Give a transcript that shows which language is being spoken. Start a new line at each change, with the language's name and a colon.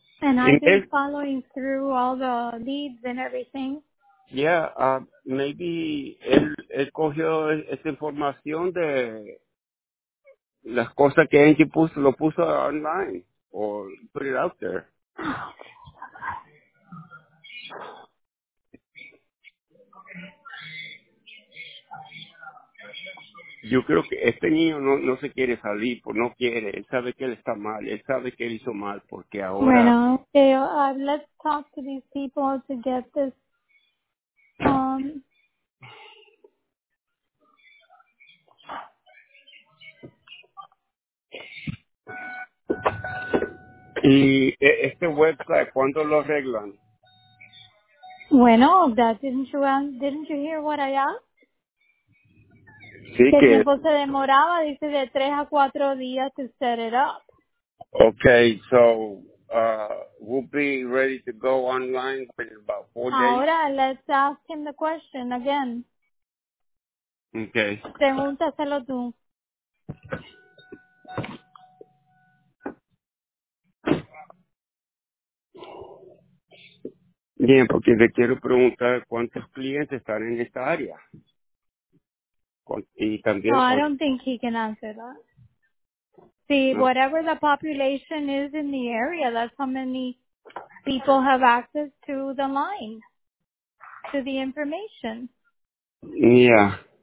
English: And I've been following through all the leads and everything. Yeah, maybe
Spanish: él cogió esa información de las cosas que Angie puso online
English: or put it out there.
Spanish: Yo creo que este niño no se quiere salir, pues no quiere. Él sabe que él está mal, él sabe que él hizo mal, porque ahora...
English: Bueno, okay, let's talk to these people to get this...
Spanish: Y este website, ¿cuándo lo arreglan?
English: Bueno, didn't you hear what I asked?
Spanish: Sí, que el tiempo se demoraba, dice, de 3 a 4 días
English: to set it up. Okay, so we'll be ready to go online in about 4 days. Ahora, let's ask him the question again. Okay.
Spanish: Pregúntaselo tú. Bien, porque le quiero preguntar cuántos clientes están en esta área.
English: No, I don't think he can answer that. See, no. Whatever the population is in the area, that's how many people have access to the line, to the information. Yeah.